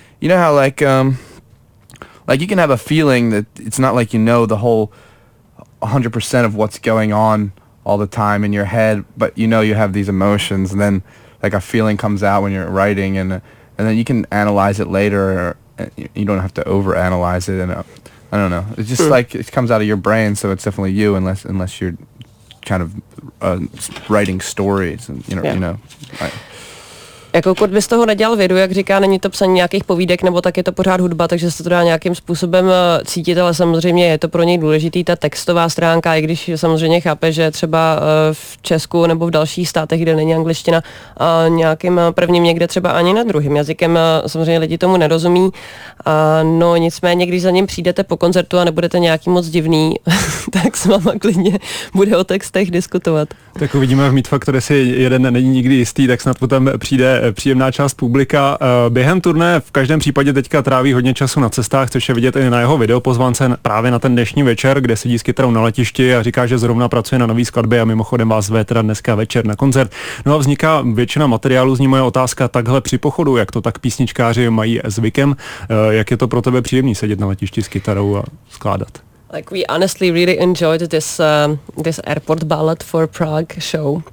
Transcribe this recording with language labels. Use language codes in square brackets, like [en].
[en] You know how like you can have a feeling that it's not like you know the whole 100% of what's going on all the time in your head, but you know you have these emotions, and then like a feeling comes out when you're writing, and then you can analyze it later, or you don't have to overanalyze it, and I don't know, it's just like it comes out of your brain, so it's definitely you, unless you're kind of writing stories, and you know, yeah. You know. [cs] Jako Kurt by z toho nedělal vědu, jak říká, není to psaní nějakých povídek, nebo tak je to pořád hudba, takže se to dá nějakým způsobem cítit, ale samozřejmě je to pro něj důležitý, ta textová stránka, i když samozřejmě chápe, že třeba v Česku nebo v dalších státech, kde není angličtina, nějakým prvním někde třeba ani na druhým jazykem, samozřejmě lidi tomu nerozumí. No nicméně, když za ním přijdete po koncertu a nebudete nějaký moc divný, tak s váma klidně bude o textech diskutovat. Tak uvidíme v Meet Factor, jestli jeden není nikdy jistý, tak snad potom přijde příjemná část publika. Během turné v každém případě teďka tráví hodně času na cestách, což je vidět i na jeho videopozvánce právě na ten dnešní večer, kde sedí s kytarou na letišti a říká, že zrovna pracuje na nový skladbě a mimochodem vás zve teda dneska večer na koncert. No a vzniká většina materiálu, z ní moje otázka, takhle při pochodu, jak to tak písničkáři mají zvykem, jak je to pro tebe příjemný sedět na letišti s kytarou a skládat? [en] Like, we honestly really enjoyed this this airport ballad for Prague show.